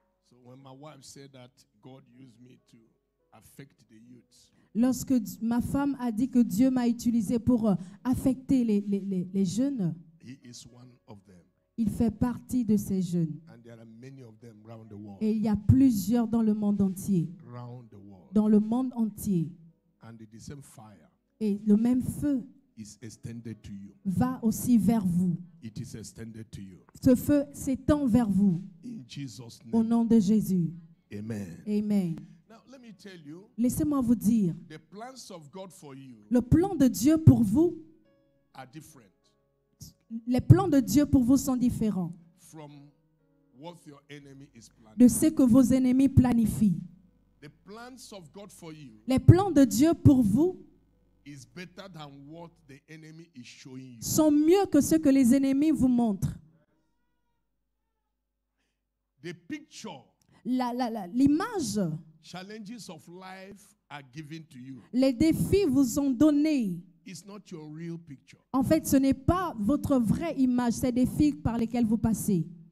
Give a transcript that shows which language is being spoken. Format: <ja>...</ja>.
<en>So when my wife said that God used me to affect the youth.</en> <fr>Lorsque ma femme a dit que Dieu m'a utilisé pour affecter les jeunes.</fr> <en>He is one of them.</en> <fr>Il fait partie de ces jeunes.</fr> <en>And there are many of them around the world.</en> <fr>Et il y a plusieurs dans le monde entier.</fr> <en>Around the world.</en> <fr>Dans le monde entier.</fr> <en>And the same fire.</en> <fr>Et le même feu.</fr> <en>Is extended to you.</en> <fr>Va aussi vers vous.</fr> <en>It is extended to you.</en> <fr>Ce feu s'étend vers vous.</fr> <en>In Jesus' name.</en> <fr>Au nom de Jésus.</fr> <en>Amen.</en> <fr>Amen.</fr> <en>Now, let me tell you,</en> <fr>laissez-moi vous dire.</fr> <en>The plans of God for you</en> <fr>le plan de Dieu pour vous.</fr> <en>Are different.</en> <fr>Les plans de Dieu pour vous sont différents.</fr> <en>From what your enemy is planning.</en> <fr>De ce que vos ennemis planifient.</fr> <en>The plans of God for you</en> <fr>les plans de Dieu pour vous.</fr> <en>Is better than what the enemy is showing you.</en> <fr>Sont mieux que ce que les ennemis vous montrent.</fr> <en>The picture,</en> <fr>l'image,</fr> <en>challenges of life are given to you.</en> <fr>Les défis vous sont donnés.</fr> <en>It's not your real picture.</en> <fr>En fait, ce n'est pas votre vraie image, ces défis par lesquels vous passez.</fr>